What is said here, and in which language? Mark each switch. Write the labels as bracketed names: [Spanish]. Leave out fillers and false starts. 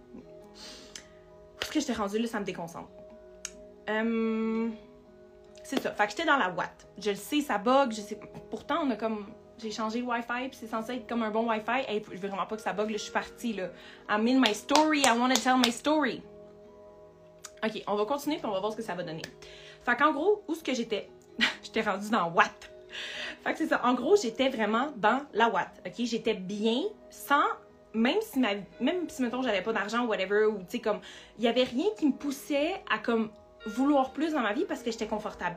[French] Où est-ce que j'étais rendue, là, ça me déconcentre. C'est ça, fait que j'étais dans la what. Je le sais, ça bug, je sais... Pourtant, on a comme... J'ai changé le Wi-Fi, puis c'est censé être comme un bon Wi-Fi. Hey, je veux vraiment pas que ça bug, là, je suis partie, là. [English] I'm in my story, I wanna tell my story. [French] OK, on va continuer, puis on va voir ce que ça va donner. Fait qu'en gros, où est-ce que j'étais? J'étais rendue dans what? Fait que c'est ça, en gros, j'étais vraiment dans la what, OK? J'étais bien, sans, même si mettons, j'avais pas d'argent ou whatever, ou tu sais, comme, il y avait rien qui me poussait à, comme, vouloir plus dans ma vie parce que j'étais confortable.